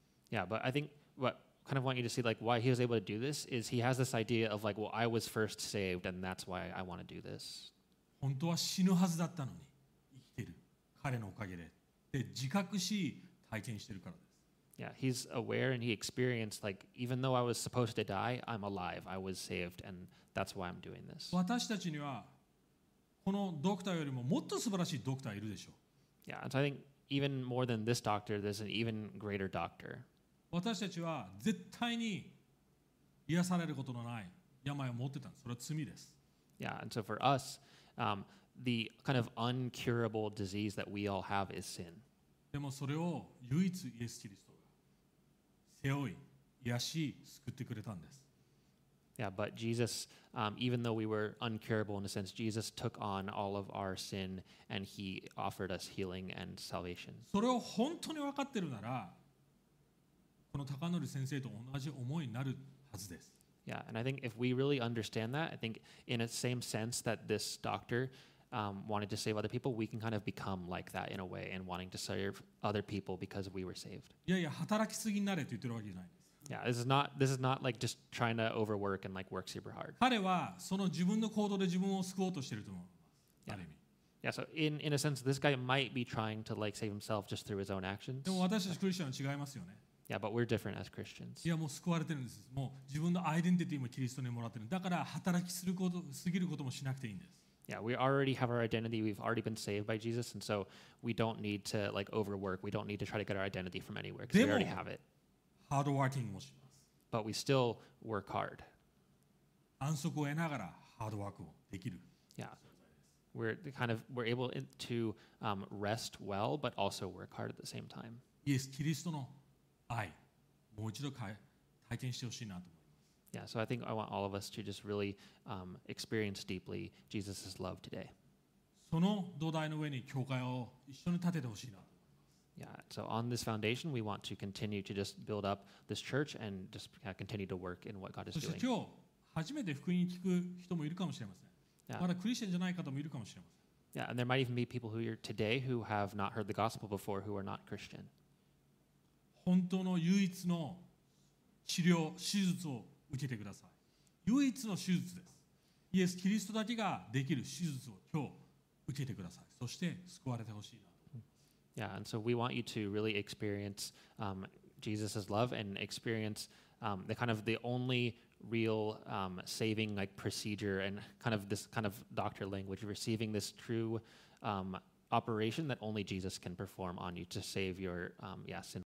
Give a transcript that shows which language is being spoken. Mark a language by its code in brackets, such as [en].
[en] Yeah, but I think what kind of want you to see like why he was able to do this is he has this idea of like, well, I was first saved and that's why I want to do this. [ja] 本当は死ぬはずだったのに生きてる彼のおかげで、で自覚し体験してるからです。 [en] Yeah, he's aware and he experienced like even though I was supposed to die, I'm alive. I was saved and that's why I'm doing this. [ja] 私たちにはこのドクターよりももっと素晴らしいドクターいるでしょう。 [en] Yeah, and so I think. Even more than this doctor, there's an even greater doctor. [ja] 私たちは絶対に癒されることのない病を持ってたんです。それは罪です。 [en] Yeah, and so for us, the kind of uncurable disease that we all have is sin. [ja] でもそれを唯一イエス・キリストが背負い、癒し、救ってくれたんです。 [en] Yeah, but Jesus, even though we were uncurable in a sense, Jesus took on all of our sin and he offered us healing and salvation. [ja] それを本当に分かってるなら、この高則先生と同じ思いになるはずです。 [en] Yeah, and I think if we really understand that, I think in a same sense that this doctor wanted to save other people, we can kind of become like that in a way and wanting to serve other people because we were saved. [ja] いやいや、働きすぎになれと言ってるわけじゃない。 [en] Yeah, this is not like just trying to overwork and like work super hard. [ja] 彼はその自分の行動で自分を救おうとしていると思う。 [en] Yeah. [ja] ある意味。 [en] Yeah, so in a sense, this guy might be trying to like save himself just through his own actions. [ja] でも私たちクリスチャンは違いますよね。 [en] Yeah, but we're different as Christians. [ja] いやもう救われてるんです。もう自分のアイデンティティもキリストにもらってる。だから働きすること、すぎることもしなくていいんです。 [en] Yeah, we already have our identity. We've already been saved by Jesus, and so we don't need to like overwork. We don't need to try to get our identity from anywhere because we already have it. Hard working [ja] もします。 [en] But we still work hard. [ja] 安息を得ながらハードワークをできる。 [en] Yeah, we're able to rest well, but also work hard at the same time. [ja] イエス・キリストの愛もう一度体験してほしいなと。 [en] Yeah, so I think I want all of us to just really experience deeply Jesus' love today. [ja] その土台の上に教会を一緒に建ててほしいな。 [en] Yeah, so on this foundation, we want to continue to just build up this church and just continue to work in what God is doing. [ja] そして今日初めて福音聞く人もいるかもしれません。 Yeah. まだクリスチャンじゃない方もいるかもしれません。 [en] Yeah, and there might even be people who are today who have not heard the gospel before who are not Christian. [ja] 本当の唯一の治療、手術を受けてください。唯一の手術です。イエス・キリストだけができる手術を今日受けてください。そして救われてほしいなと。 [en] Yeah, and so we want you to really experience Jesus's love and experience the kind of the only real saving like procedure and kind of this kind of doctor language, receiving this true operation that only Jesus can perform on you to save your sin.